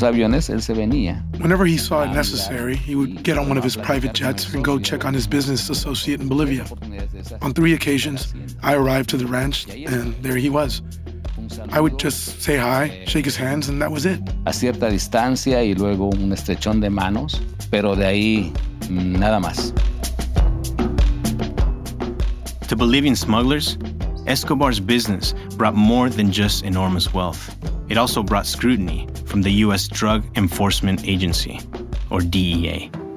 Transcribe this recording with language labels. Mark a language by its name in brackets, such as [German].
[English] Whenever he saw it necessary, he would get on one of his private jets and go check on his business associate in Bolivia. On three occasions, I arrived to the ranch, and there he was. I would just say hi, shake his hands, and that was it. [Spanish] A cierta distancia y luego un estrechón de manos, pero de ahí nada más. [English] To Bolivian smugglers, Escobar's business brought more than just enormous wealth. It also brought scrutiny from the U.S. Drug Enforcement Agency, or DEA.